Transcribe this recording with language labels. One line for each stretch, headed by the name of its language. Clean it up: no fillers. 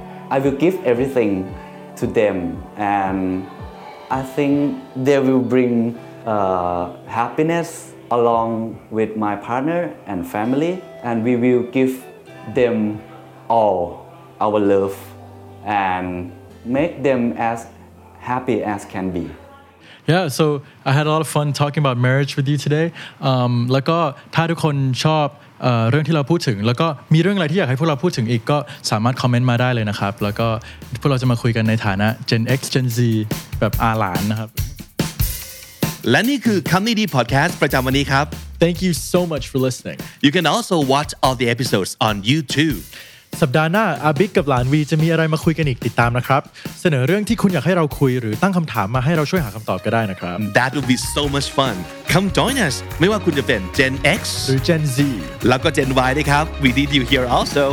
English: I will give everything to them, and I think they will bring happiness along with my partner and family, and we will give them all our love and make them as happy as can be. Yeah, so I had a lot of fun talking about marriage with you today.
Thai: แล้วก็ถ้าทุกคนชอบเรื่องที่เราพูดถึงแล้วก็มีเรื่องอะไรที่อยากให้พวกเราพูดถึงอีกก็สามารถคอมเมนต์มาได้เลยนะครับแล้วก็พวกเราจะมาคุยกันในฐานะ Gen X Gen Z แบบอาหลานนะครับ และนี่คือคำนี้ดีพอดแคสต์ประจำวันนี้ครับ
English: Thank you so much for listening. You can also watch all the episodes on YouTube.
Thai: สัปดาห์หน้าอาบิ๊กกับหลานวีจะมีอะไรมาคุยกันอีกติดตามนะครับเสนอเรื่องที่คุณอยากให้เราคุยหรือตั้งคำถามมาให้เราช่วยหาคำตอบก็ได้นะครับ
English: That would be so much fun Come join us
Thai: ไม่ว่าคุณจะเป็น
English: Gen X
Thai: หรือ Gen Z แล้วก็ Gen Y ด้วยครับ
English: We need you here also